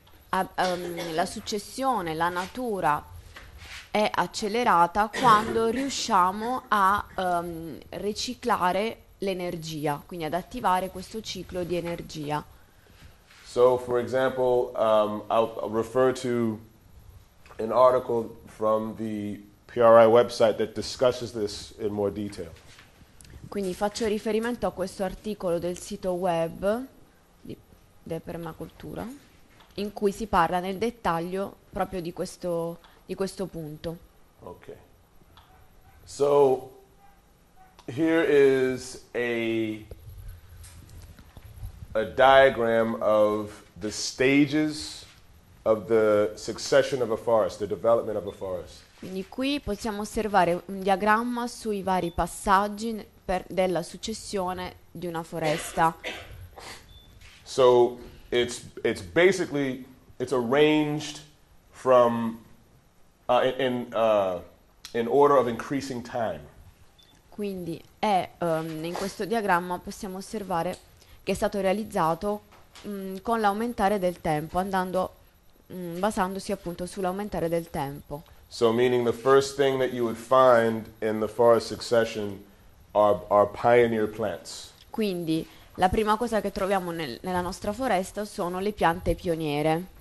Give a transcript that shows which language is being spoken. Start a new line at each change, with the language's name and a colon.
Italian: La successione, la natura è accelerata quando riusciamo a riciclare l'energia, quindi ad attivare questo ciclo di energia.
English: So, for example, I'll refer to an article from the PRI website that discusses this in more detail.
Italian: Quindi faccio riferimento a questo articolo del sito web di De Permacultura, in cui si parla nel dettaglio proprio di questo punto.
English: Okay. So, here is a diagram of the stages of the succession of a forest, the development of a forest.
Italian: Quindi qui possiamo osservare un diagramma sui vari passaggi per della successione di una foresta.
English: So it's basically it's arranged from in order of increasing time.
Italian: Quindi è in questo diagramma possiamo osservare che è stato realizzato con l'aumentare del tempo, andando basandosi appunto sull'aumentare del tempo.
English: So meaning the first thing that you would find in the forest succession are pioneer plants.
Italian: Quindi la prima cosa che troviamo nella nostra foresta sono le piante pioniere.